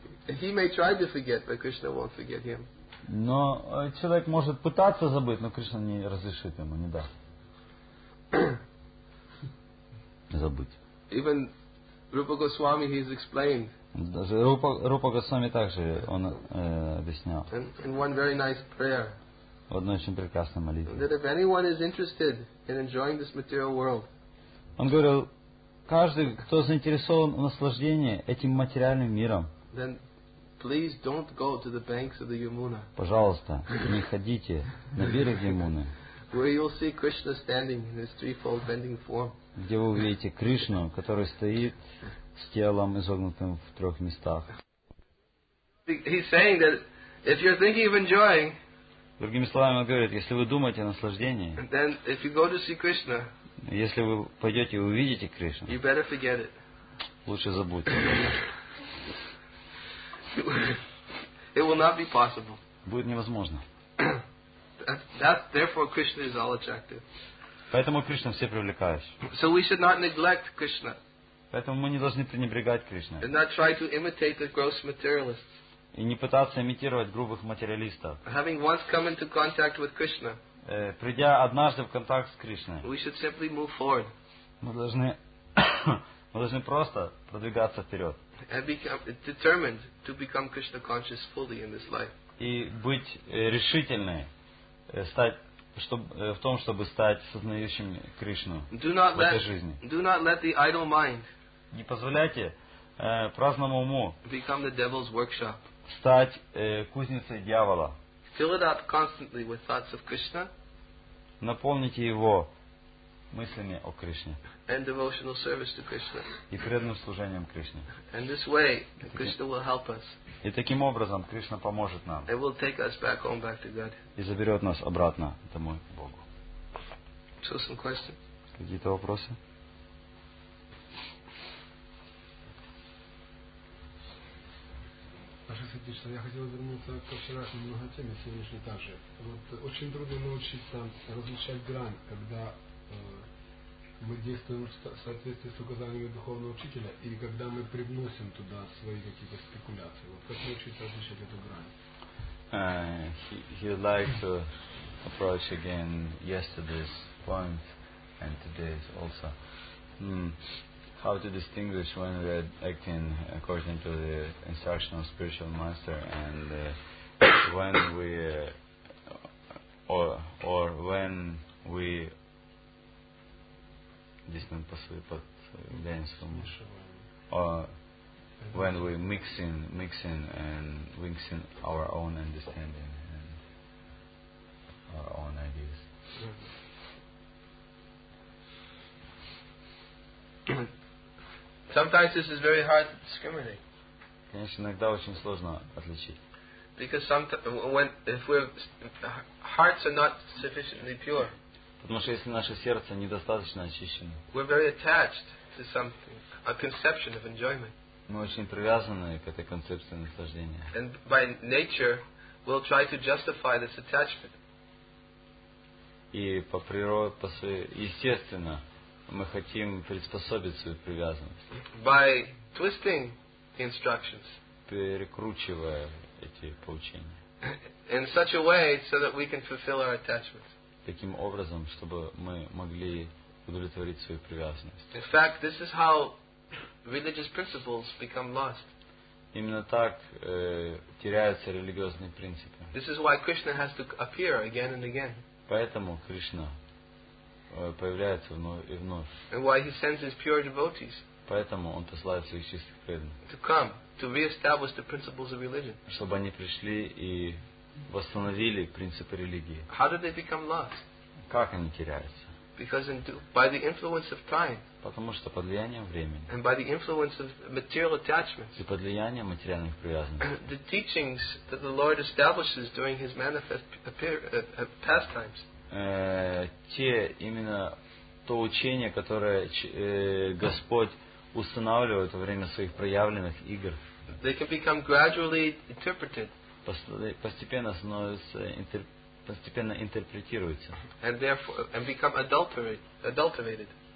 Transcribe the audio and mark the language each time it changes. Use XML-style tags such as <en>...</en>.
<en>He may try to forget, but Krishna won't forget him.</en> <ru>Но человек может пытаться забыть, но Кришна не разрешит ему, не даст забыть.</ru> <en>Even Rupa Goswami, he's explained.</en> <ru>Даже Рупа Госвами также он объяснял.</ru> <en>In one very nice prayer.</en> <ru>В одной очень прекрасной молитве.</ru> <en>That if anyone is interested in enjoying this material world.</en> <ru>Он говорил, каждый, кто заинтересован в наслаждении этим материальным миром.</ru> <en>Then please don't go to the banks of the Yamuna.</en> <ru>Пожалуйста, не ходите на берег Ямуны.</ru> <en>Where you'll see Krishna standing in his threefold bending form.</en> <ru>Где вы увидите Кришну, который стоит с телом изогнутым в трех местах.</ru> <en>He's saying that if you're thinking of enjoying.</en> <ru>Другими словами, он говорит, если вы думаете о наслаждении.</ru> <en>Then if you go to see Krishna.</en> <ru>Если вы пойдете и увидите Кришну.</ru> <en>You better forget it.</en> <ru>Лучше забудьте.</ru> <en>It will not be possible.</en> <ru>Будет невозможно.</ru> <en>That therefore Krishna is all attractive.</en> <ru>Поэтому Кришна все привлекающий.</ru> <en>So we should not neglect Krishna.</en> <ru>Поэтому мы не должны пренебрегать Кришной.</ru> <en>And not try to imitate the gross materialists.</en> <ru>И не пытаться имитировать грубых материалистов.</ru> <en>Having once come into contact with Krishna.</en> <ru>Придя однажды в контакт с Кришной.</ru> <en>We should simply move forward.</en> <ru>Мы должны просто продвигаться вперед.</ru> <en>And become determined to become Krishna conscious fully in this life.</en> <ru>И быть решительны в том, чтобы стать сознающим Кришну в этой жизни.</ru> <en>Do not let the idle mind.</en> <ru>Не позволяйте праздному уму</ru> <en>become the devil's workshop.</en> <ru>Стать кузницей дьявола.</ru> <en>Fill it up constantly with thoughts of Krishna.</en> <ru>Наполните его мыслями о Кришне.</ru> <en>And devotional service to Krishna.</en> <ru>И преданным служением Кришне.</ru> <en>And this way, Krishna will help us.</en> <ru>И таким образом Кришна поможет нам.</ru> <en>And will take us back home, back to God.</en> <ru>И заберет нас обратно домой к Богу.</ru> <en>still some questions?</en> <ru>Какие-то вопросы? Я хотел вернуться к вчерашней много теме, сегодняшней также. Вот очень трудно научиться различать грань, когда мы действуем в соответствии с указаниями духовного учителя, и когда мы привносим туда свои какие-то спекуляции. Вот как научиться различать эту грань?</ru> <en>He would like to approach again yesterday's point and today's also. How to distinguish when we are acting according to the instruction of spiritual master and when we or when we when we mixing and mixing our own understanding and our own ideas. Sometimes this is very hard to discriminate.</en> <ru>Конечно, иногда очень сложно отличить.</ru> <en>Because if we're hearts are not sufficiently pure.</en> <ru>Потому что если наше сердце недостаточно очищено.</ru> <en>We're very attached to something, a conception of enjoyment.</en> <ru>Мы очень привязаны к этой концепции наслаждения.</ru> <en>And by nature, we'll try to justify this attachment.</en> <ru>И по природе, по своей, естественно. Мы хотим приспособить свою привязанность.</ru> <en>By twisting the instructions.</en> <ru>Перекручивая эти поучения.</ru> <en>In such a way so that we can fulfill our attachments.</en> <ru>Таким образом, чтобы мы могли удовлетворить свою привязанность.</ru> <en>In fact, this is how religious principles become lost.</en> <ru>Именно так теряются религиозные принципы.</ru> <en>This is why Krishna has to appear again and again.</en> <ru>Поэтому Кришна появляется вновь и вновь.</ru> <en>And why he sends his pure devotees?</en> <ru>Поэтому он посылает своих чистых преданных.</ru> <en>To come, to reestablish the principles of religion.</en> <ru>Чтобы они пришли и восстановили принципы религии.</ru> <en>How do they become lost?</en> <ru>Как они теряются?</ru> <en>Because by the influence of time.</en> <ru>Потому что под влиянием времени.</ru> <en>And by the influence of material attachments.</en> <ru>И под влиянием материальных привязанностей.</ru> <en>The teachings that the Lord establishes during his manifest pastimes.</en> <ru>Те именно то учение, которое Господь устанавливает во время своих проявленных игр,</ru> <en>they can become gradually interpreted.</en> <ru>Постепенно интерпретируется.</ru> <en>And therefore and become adulterated.</en>